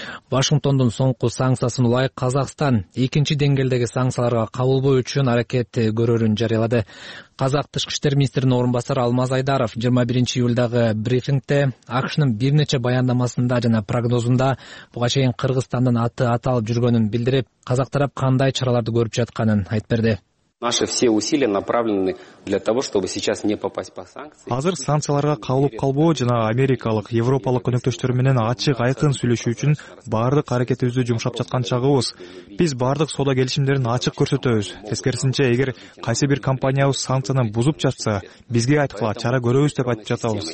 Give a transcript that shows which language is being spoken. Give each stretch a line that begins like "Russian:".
Kyrgyz: Вашингтондун соңку санкциясына улай Казакстан экинчи деңгээлдеги санкцияларга кабылбоо үчүн аракет көрөрүн жарыялады. Казак тышкы иштер министринин орун басары Алмаз Айдаров 21-июлдагы брифингде АКШнын бир нече баяндамасында жана прогнозунда буга чейин Кыргызстандын аты аталып жүргөнүн билдирип, казак тарап кандай чараларды көрүп жатканын айтып берди.
Russian: Наши все усилия направлены для того, чтобы сейчас не попасть по санкциям.
Kyrgyz: Азыр санкцияларга кабылып калбоо жана америкалык, европалык өнөктөштөр менен ачык айкын сүйлөшүү үчүн баардык аракетибизди жумшап жаткан чагыбыз. Биз баардык соода келишимдерин ачык көрсөтөбүз. Тескерисинче, эгер кайсы бир компаниябыз санкцияны бузуп жатса, бизге айткыла чара көрөбүз деп айтып жатабыз.